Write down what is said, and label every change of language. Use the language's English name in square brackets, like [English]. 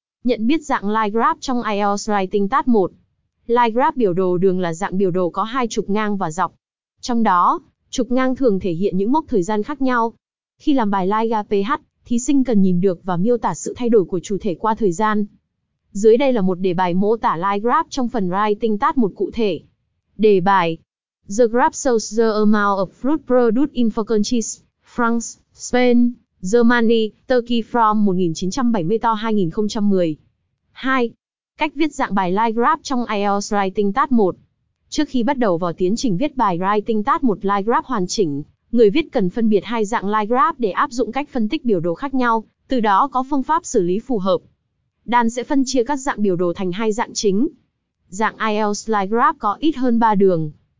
[Vietnamese] Nhận biết dạng Live Graph trong IELTS Writing Task 1. Live Graph biểu đồ đường là dạng biểu đồ có hai trục ngang và dọc. Trong đó, trục ngang thường thể hiện những mốc thời gian khác nhau. Khi làm bài Live Graph, thí sinh cần nhìn được và miêu tả sự thay đổi của chủ thể qua thời gian. Dưới đây là một đề bài mô tả Live Graph trong phần Writing Task 1 cụ thể. Đề bài: [English] The graph shows the amount of fruit produced in Falcon Cheese, France, Spain, Germany, Turkey from 1970 to 2010. [Vietnamese] 2. Cách viết dạng bài Live Graph trong IELTS Writing Task 1. Trước khi bắt đầu vào tiến trình viết bài Writing Task 1 Live Graph hoàn chỉnh, người viết cần phân biệt hai dạng Live Graph để áp dụng cách phân tích biểu đồ khác nhau, từ đó có phương pháp xử lý phù hợp. Dan sẽ phân chia các dạng biểu đồ thành hai dạng chính. Dạng IELTS Live Graph có ít hơn 3 đường.